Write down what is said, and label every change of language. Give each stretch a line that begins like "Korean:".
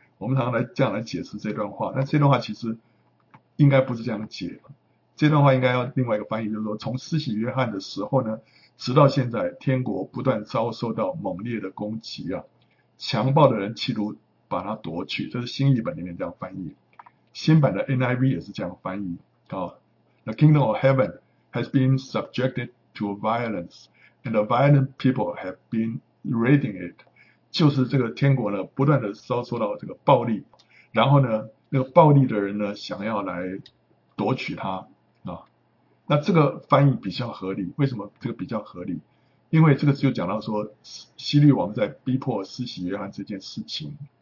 Chinese: 我们常常来这样来解释这段话，但这段话其实应该不是这样解。这段话应该要另外一个翻译，就是说从施洗约翰的时候呢，直到现在，天国不断遭受到猛烈的攻击啊，强暴的人企图把它夺去。这是新译本里面这样翻译，新版的 NIV 也是这样翻译。
English: The kingdom of heaven has been subjected to violence, and the violent people have been raiding it.
Chinese: 就是这个天国呢，不断的遭受到这个暴力，然后呢，那个暴力的人呢，想要来夺取它。那这个翻译比较合理，为什么这个比较合理？因为这个就讲到说，希律王在逼迫施洗约翰这件事情。